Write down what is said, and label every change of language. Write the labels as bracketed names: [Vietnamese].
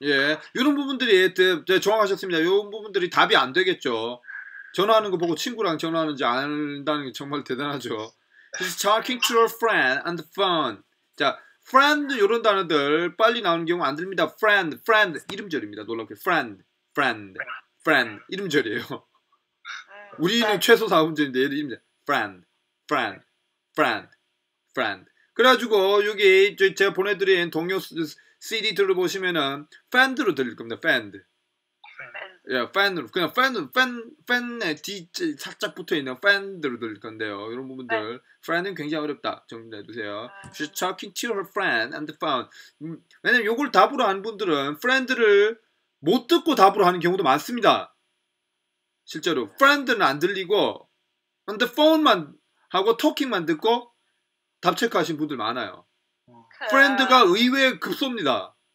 [Korean] 예, 이런 부분들이 정확하셨습니다. 이런 부분들이 답이 안 되겠죠. 전화하는 거 보고 친구랑 전화하는지 안다는 게 정말 대단하죠. [English] She's talking to her friend on the phone. [Korean] 자, friend 이런 단어들 빨리 나오는 경우 안 들립니다. Friend, friend 이름절입니다. 놀랍게 friend, friend, friend 이름절이에요. 우리는 최소 4음절인데 얘는 이름절. [English] Friend, friend, friend, friend. [Korean] 그래가지고 여기 제가 보내드린 동요 CD 들어보시면은 friend로 들릴 겁니다. Friend. Yeah, fan으로 그냥 fan의 뒤에 살짝 붙어 있는 fan으로 들 건데요. 이런 부분들 fan은 굉장히 어렵다. 정리해 주세요. [English] She's talking to her friend on the phone. [Korean] 왜냐면 이걸 답으로 하는 분들은 friend를 못 듣고 답으로 하는 경우도 많습니다. 실제로 friend는 안 들리고 [English] on the phone [Korean] 만 하고 talking만 듣고 답 체크하신 분들 많아요. Friend가 의외의 급소입니다.